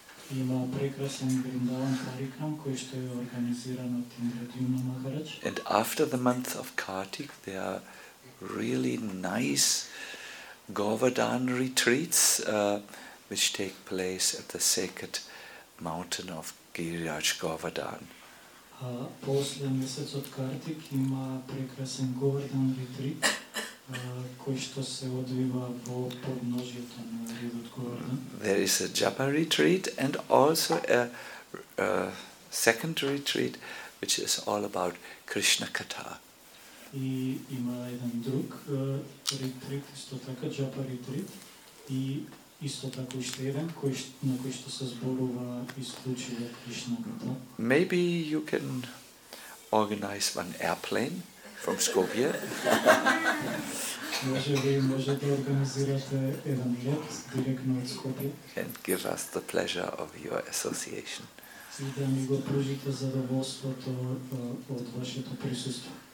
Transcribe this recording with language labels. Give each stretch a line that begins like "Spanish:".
English: And after the month of Kartik, there are really nice Govardhan retreats which take place at the sacred mountain of Giriraj Govardhan.
Macedonian: После месец от Картик има прекрасен Govardhan retreat, кој што се одвива во подножјето на ридот Govardhan.
English: There is a Japa retreat and also a second retreat, which is all about Krishna Katha.
Macedonian: И има еден друг ретрит, исто така Japa retreat, и исто така уште еден на кој што се зборува исклучиво Кришна Ката.
English: Maybe you can organize one airplane from Skopje.
Macedonian: Можете да организирате еден лет директно од Скопје.
English: And give us the pleasure of your association.
Macedonian: И да ни го пружите задоволството од вашето присуство.